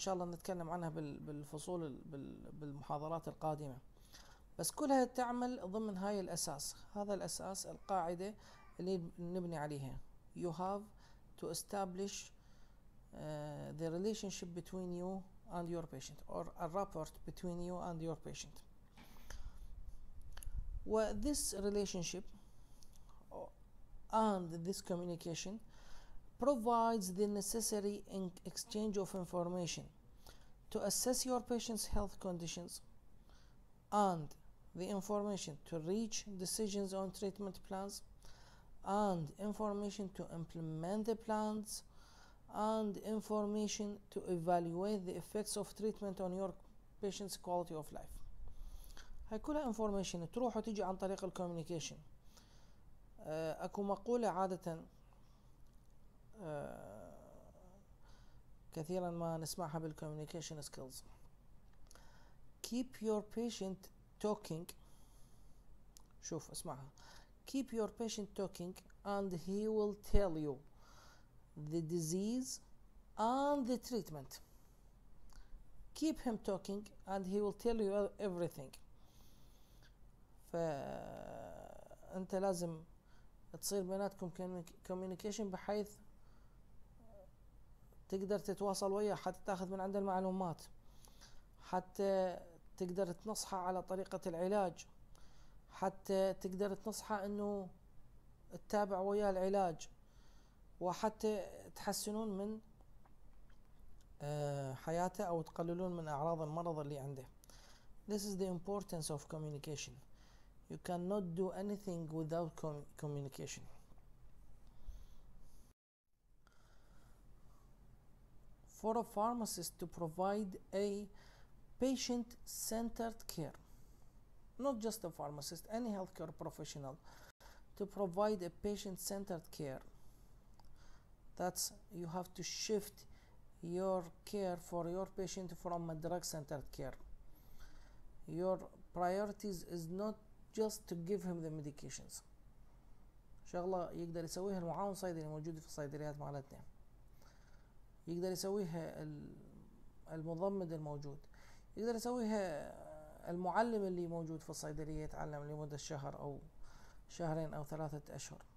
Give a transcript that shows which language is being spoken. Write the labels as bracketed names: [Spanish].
[Arabic] ان شاء الله نتكلم عنها بالفصول بالمحاضرات القادمة، بس كلها تعمل ضمن هاي الأساس. هذا الأساس، القاعدة اللي نبني عليها. [English] You have to establish the relationship between you and your patient, or a rapport between you and your patient. This relationship and this communication provides the necessary exchange of information to assess your patient's health conditions and the information to reach decisions on treatment plans and information to implement the plans and information to evaluate the effects of treatment on your patient's quality of life. [Arabic] هاي كلها information تروح وتجي عن طريق الكوميونيكيشن. اكو مقولة عادة كثيرا ما نسمعها بالكوميونيكيشن سكيلز: [English] keep your patient talking. [Arabic] شوف اسمعها: [English] keep your patient talking and he will tell you the disease and the treatment. Keep him talking and he will tell you everything. [Arabic] فأنت لازم تصير بيناتكم communication بحيث تقدر تتواصل وياه، حتى تاخذ من عنده المعلومات، حتى تقدر تنصحه على طريقة العلاج، حتى تقدر تنصحه انه تتابع وياه العلاج، وحتى تحسنون من حياته او تقللون من اعراض المرض اللي عنده. [English] This is the importance of communication. You cannot do anything without communication. For a pharmacist to provide a patient-centered care, not just a pharmacist, any healthcare professional, to provide a patient-centered care, that's you have to shift your care for your patient from a drug-centered care. Your priorities is not just to give him the medications. [Arabic] شغلة يقدر يسويها المعاون صيدلي موجود في الصيدليات مالتنا، يقدر يسويها المضمد الموجود، يقدر يسويها المعلم اللي موجود في الصيدلية يتعلم لمدة شهر أو شهرين أو 3 أشهر.